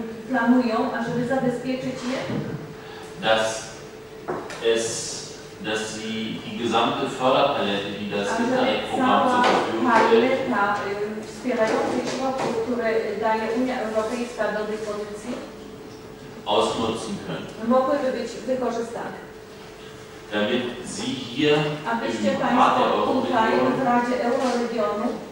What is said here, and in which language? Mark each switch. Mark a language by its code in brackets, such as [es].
[pl] planują, ażeby zabezpieczyć je? [de] Dass es, dass sie die gesamte Förderpalette, die das Internetprogramm zur Verfügung stellt, [pl] wspierających środków, które daje Unia Europejska do dyspozycji, [de] ausnutzen können. [pl] Mogłyby być wykorzystane. [de] Damit sie hier [pl] abyście Państwo tutaj w Radzie Euroregionu